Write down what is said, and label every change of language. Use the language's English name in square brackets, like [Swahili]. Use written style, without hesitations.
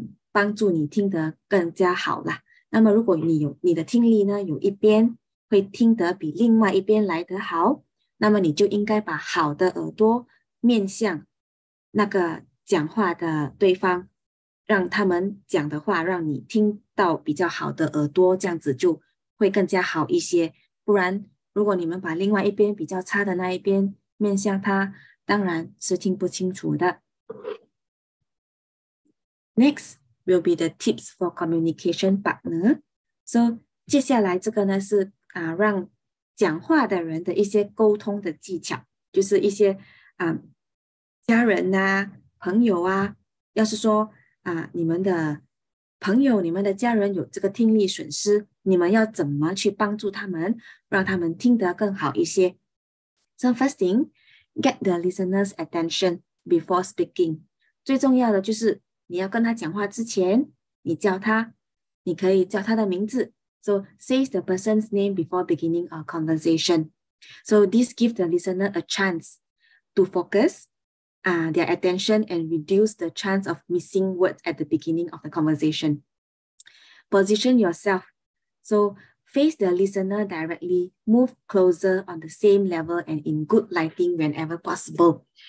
[Chinese] 帮助你听得更加好啦。那么如果你的听力呢有一边会听得比另外一边来得好，那么你就应该把好的耳朵面向那个讲话的对方，让他们讲的话让你听到比较好的耳朵，这样子就会更加好一些。不然如果你们把另外一边比较差的那一边面向他，当然是听不清楚的。 [English] Next will be the tips for communication partner. [Chinese] So, 接下来这个呢是让讲话的人的一些沟通的技巧，就是一些家人啊、朋友啊，要是说你们的朋友、你们的家人有这个听力损失，你们要怎么去帮助他们，让他们听得更好一些？ [English] So, first thing, get the listener's attention before speaking. [Chinese] 最重要的就是 你要跟他讲话之前，你叫他，你可以叫他的名字。 [English] So say the person's name before beginning a conversation. So this gives the listener a chance to focus their attention and reduce the chance of missing words at the beginning of the conversation. Position yourself. So face the listener directly, move closer on the same level and in good lighting whenever possible.